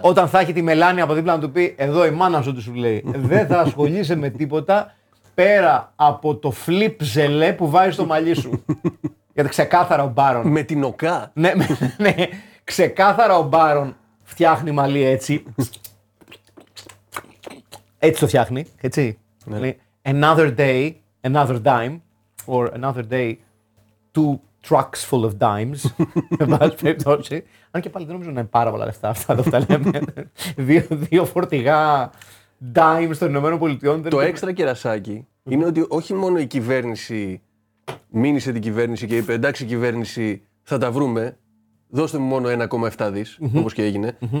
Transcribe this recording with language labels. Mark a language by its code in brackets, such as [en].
[el] Όταν θα έχει τη Μελάνια από δίπλα να του πει, εδώ η μάνα σου, του σου λέει, δεν θα ασχολείσαι με τίποτα πέρα από το φλιπ ζελέ που βάζει στο μαλλί σου. Γιατί ξεκάθαρα ο Μπάρον. Με την οκά. Ναι, ξεκάθαρα ο Μπάρον φτιάχνει μαλλί έτσι. Έτσι το φτιάχνει, έτσι. Ναι. [en] Another day, another dime, or another day, two trucks full of dimes. [el] Με πάση περιπτώσει. Αν και πάλι δεν νομίζω να είναι πάρα πολλά λεφτά αυτά που τα λέμε. δύο φορτηγά dimes των Ηνωμένων Πολιτειών. Το έξτρα κερασάκι είναι ότι όχι μόνο η κυβέρνηση μήνυσε την κυβέρνηση και είπε, εντάξει κυβέρνηση, θα τα βρούμε, δώστε μου μόνο 1,7 δις, όπως και έγινε.